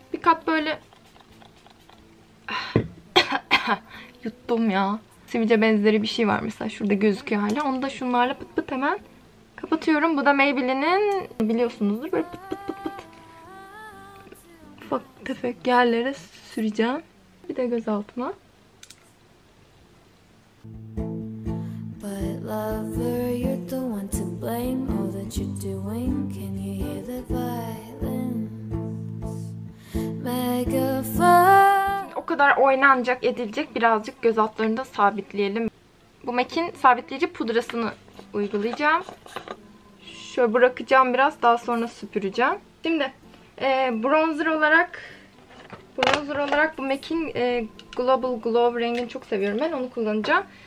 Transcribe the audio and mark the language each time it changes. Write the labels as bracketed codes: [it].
[tr] Bir kat böyle yuttum ya. Sivilce benzeri bir şey var mesela. Şurada gözüküyor hala. Onu da şunlarla pıt pıt hemen kapatıyorum. Bu da Maybelline'in biliyorsunuzdur. Böyle pıt pıt pıt pıt. tefek yerlere süreceğim. Bir de gözaltıma. [en] But lover, you're the one to blame. All that you're doing, can you hear the violence? [tr] Megaphone. O kadar oynanacak, edilecek birazcık göz altlarını da sabitleyelim. Bu MAC'in sabitleyici pudrasını uygulayacağım. Şöyle bırakacağım biraz, daha sonra süpüreceğim. Şimdi bronzer olarak bu MAC'in Global Glow rengini çok seviyorum ben, onu kullanacağım.